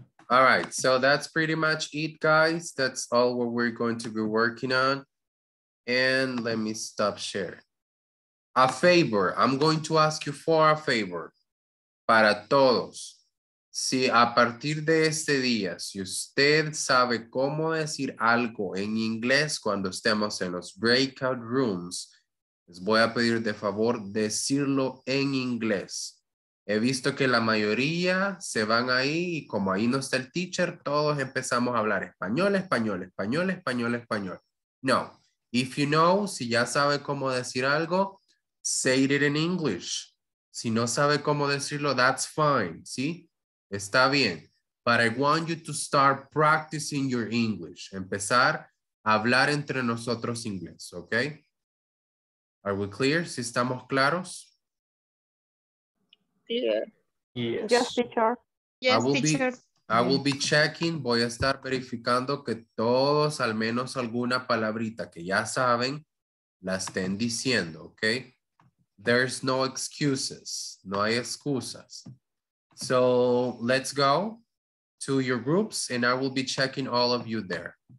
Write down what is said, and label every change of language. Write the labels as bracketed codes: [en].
[en] All right, so that's pretty much it, guys. That's all what we're going to be working on. And let me stop sharing. A favor, I'm going to ask you for a favor. [es] Para todos, si a partir de este día, si usted sabe cómo decir algo en inglés cuando estemos en los breakout rooms, les voy a pedir de favor decirlo en inglés. He visto que la mayoría se van ahí y como ahí no está el teacher, todos empezamos a hablar español, español, español, español, español. [en] No, if you know, [es] si ya sabe cómo decir algo, [en] say it in English. [es] Si no sabe cómo decirlo, [en] that's fine, [es] ¿sí? Está bien. [en] But I want you to start practicing your English. [es] Empezar a hablar entre nosotros inglés, ¿ok? [en] Are we clear? [es] ¿Sí estamos claros? [en] Yes. Yes, teacher. Yes, teacher. I will be checking. [es] Voy a estar verificando que todos, al menos alguna palabrita que ya saben, la estén diciendo, ¿ok? [en] There's no excuses. [es] No hay excusas. [en] So let's go to your groups and I will be checking all of you there.